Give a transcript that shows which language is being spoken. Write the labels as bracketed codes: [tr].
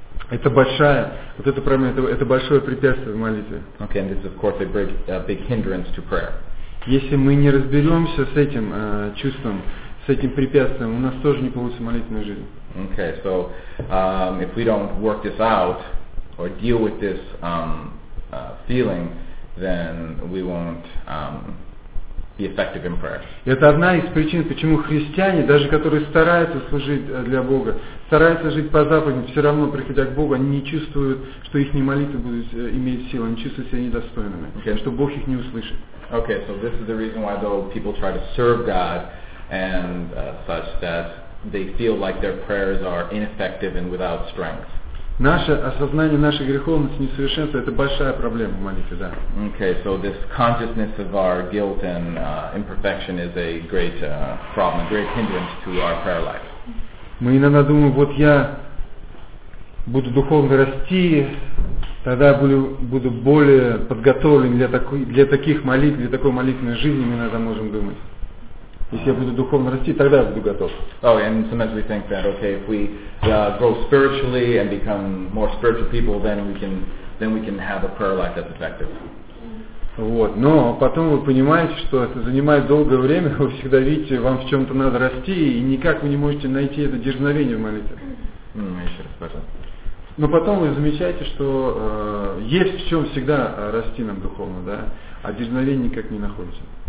[ru] Это большая, вот эта проблема, это большое препятствие в молитве. [en] Okay, and this is of course a big hindrance to prayer. [ru] Если мы не разберемся с этим чувством, с этим препятствием, у нас тоже не получится молитвенная жизнь. [en] Okay, so if we don't work this out or deal with this feeling, then we won't be effective in prayer. [ru] Это одна из причин, почему христиане, даже которые стараются служить для Бога, стараются жить по заповедям, все равно приходя к Богу, они не чувствуют, что их молитвы будут иметь силу, они чувствуют себя недостойными, [en] okay. [ru] Что Бог их не услышит. [en] Okay, so this is the reason why though people try to serve God and such that they feel like their prayers are ineffective and without strength. [ru] Наше осознание нашей греховности, несовершенства — это большая проблема в молитве, да. [en] Okay, so this consciousness of our guilt and imperfection is a great problem, a great hindrance to our prayer life. [ru] Мы иногда думаем, вот я буду духовно расти, тогда буду более подготовлен для такой молитвенной жизни, мы иногда можем думать. Если я буду духовно расти, тогда я буду готов. [en] Oh, and sometimes we think that, okay, if we grow spiritually and become more spiritual people, then we can have a prayer life that's effective. [ru] Вот, но потом вы понимаете, что это занимает долгое время, вы всегда видите, вам в чем-то надо расти, и никак вы не можете найти это дерзновение в молитве. Еще раз, пожалуйста. Но потом вы замечаете, что есть в чем всегда расти нам духовно, да, а дерзновение никак не находится.